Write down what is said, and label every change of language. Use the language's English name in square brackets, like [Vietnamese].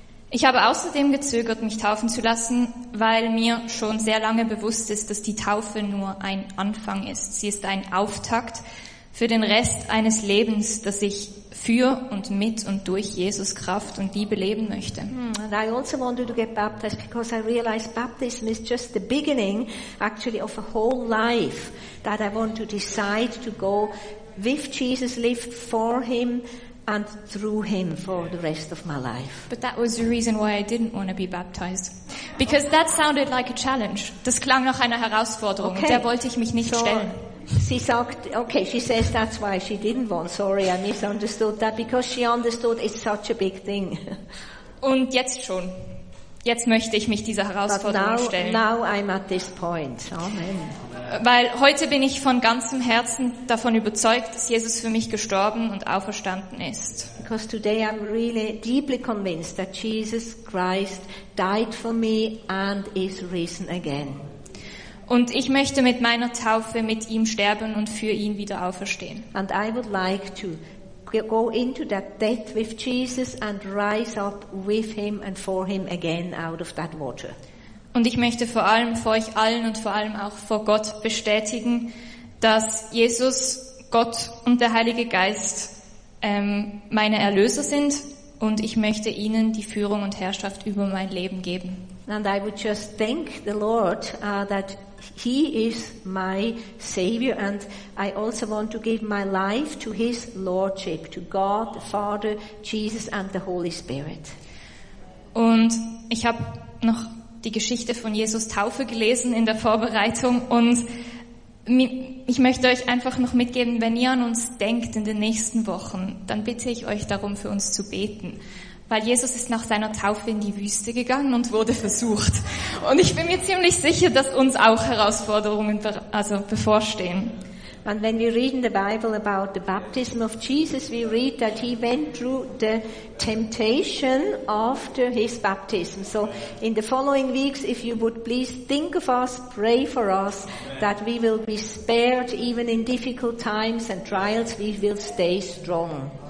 [German] Ich habe außerdem gezögert, mich taufen zu lassen, weil mir schon sehr lange bewusst ist, dass die Taufe nur ein Anfang ist. Sie ist ein Auftakt für den Rest eines Lebens, das ich für und mit und durch Jesus Kraft und Liebe leben möchte. [English] And I also wanted to get baptized because I realized baptism is just the beginning actually of a whole life that I want to decide to go with Jesus, live for him and through him for the rest of my life. But that was the reason why I didn't want to be baptized. Because that sounded like a challenge. [German] Das klang nach einer Herausforderung, [English] okay. [German] Und der wollte ich mich nicht stellen. [English] She [German] sagt, [English] okay, she says that's why she didn't want. Sorry, I misunderstood that, because she understood it's such a big thing. [German] Und jetzt schon. Jetzt möchte ich mich dieser Herausforderung stellen. [English] Now I'm at this point. Amen. [German] Weil heute bin ich von ganzem Herzen davon überzeugt, dass Jesus für mich gestorben und auferstanden ist. [English] Because today I'm really deeply convinced that Jesus Christ died for me and is risen again. [German] Und ich möchte mit meiner Taufe mit ihm sterben und für ihn wieder auferstehen. [English] And I would like to go into that death with Jesus and rise up with him and for him again out of that water. [German] Und ich möchte vor allem vor euch allen und vor allem auch vor Gott bestätigen, dass Jesus, Gott und der Heilige Geist meine Erlöser sind und ich möchte ihnen die Führung und Herrschaft über mein Leben geben. [English] And I would just thank the Lord that he is my Savior and I also want to give my life to his Lordship, to God, the Father, Jesus and the Holy Spirit. [German] Und ich habe noch die Geschichte von Jesus' Taufe gelesen in der Vorbereitung und ich möchte euch einfach noch mitgeben, wenn ihr an uns denkt in den nächsten Wochen, dann bitte ich euch darum, für uns zu beten. Weil Jesus ist nach seiner Taufe in die Wüste gegangen und wurde versucht. Und ich bin mir ziemlich sicher, dass uns auch Herausforderungen bevorstehen. [English] And when we read in the Bible about the baptism of Jesus, we read that he went through the temptation after his baptism. So in the following weeks, if you would please think of us, pray for us, that we will be spared even in difficult times and trials, we will stay strong.